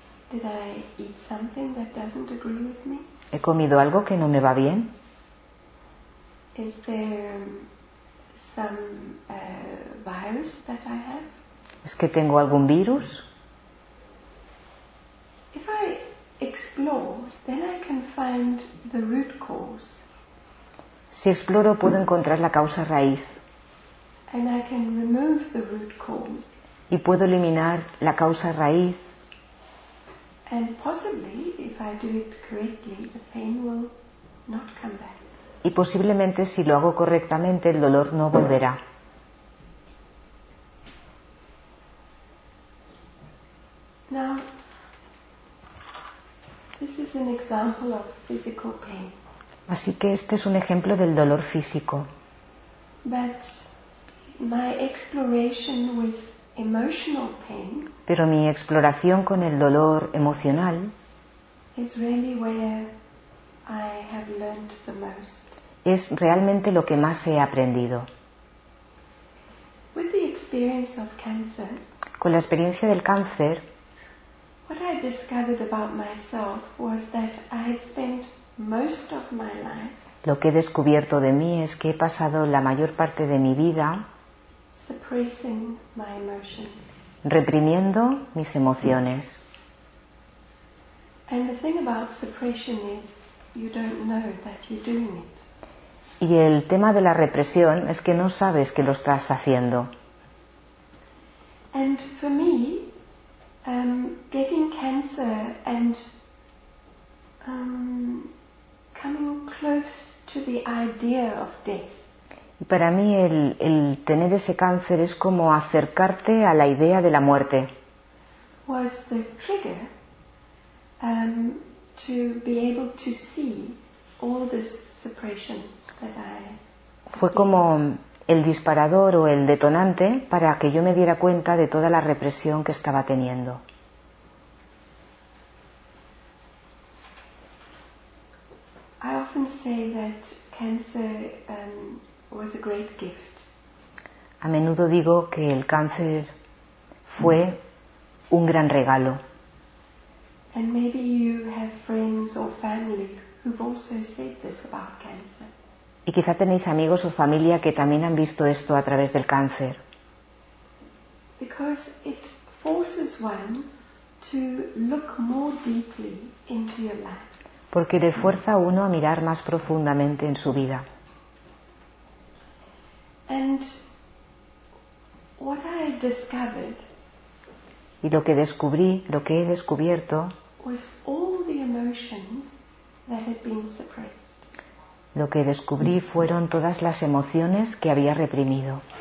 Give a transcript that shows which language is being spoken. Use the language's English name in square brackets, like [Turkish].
[English] Did I eat something that doesn't agree with me? [Spanish] ¿He comido algo que no me va bien? [English] Is there some virus that I have? [Spanish] ¿Es que tengo algún virus? [English] If I explore, then I can find the root cause. [Spanish] Si exploro, puedo encontrar la causa raíz. [English] And I can remove the root cause. [Spanish] Y puedo eliminar la causa raíz. [English] And possibly, if I do it correctly, the pain will not come back. [Spanish] Y posiblemente, si lo hago correctamente, el dolor no volverá. [English] Now, this is an example of physical pain. [Spanish] Así que este es un ejemplo del dolor físico. [English] But my exploration with emotional pain, [Spanish] pero mi exploración con el dolor emocional, [English] is really where I have learned the most. [Spanish] Es realmente lo que más he aprendido. [English] With the experience of cancer, [Spanish] con la experiencia del cáncer, [English] what I discovered about myself was that I had spent most of my life. [Spanish] Lo que he descubierto de mí es que he pasado la mayor parte de mi vida [English] suppressing my emotions. [Spanish] Reprimiendo mis emociones. [English] And the thing about suppression is you don't know that you're doing it. [Spanish] Y el tema de la represión es que no sabes que lo estás haciendo. [English] And for me, getting cancer and coming close to the idea of death. [Spanish] Y para mí el tener ese cáncer es como acercarte a la idea de la muerte. [English] Was the trigger to be able to see all this suppression that I. [Spanish] Fue como el disparador o el detonante para que yo me diera cuenta de toda la represión que estaba teniendo. [English] I often say that cancer was a great gift. [Spanish] A menudo digo que el cáncer fue un gran regalo. [English] And maybe you have friends or family who've also said this about cancer. [Spanish] Y quizá tenéis amigos o familia que también han visto esto a través del cáncer. [English] Because it forces one to look more deeply into your life. [Spanish] Porque le fuerza a uno a mirar más profundamente en su vida. [English] And what I discovered, [Spanish] y lo que descubrí, lo que he descubierto, [English] was all the emotions that had been suppressed. [Spanish] Lo que descubrí fueron todas las emociones que había reprimido.